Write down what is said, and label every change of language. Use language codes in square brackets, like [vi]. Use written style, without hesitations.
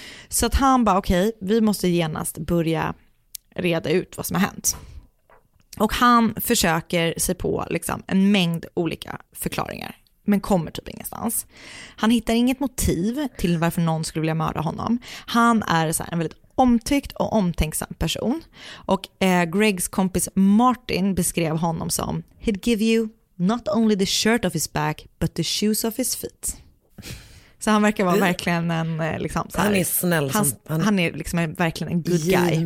[sv] Så att han bara, okej, vi måste genast börja reda ut vad som har hänt. Och han försöker se på liksom en mängd olika förklaringar, men kommer typ ingenstans. Han hittar inget motiv till varför någon skulle vilja mörda honom. Han är så här en väldigt omtyckt och omtänksam person. Och Gregs kompis Martin beskrev honom som: [en] "He'd give you not only the shirt off his back, but the shoes off his feet." [sv] Så han verkar vara verkligen en liksom så här, han är snäll. Han är liksom verkligen en good guy.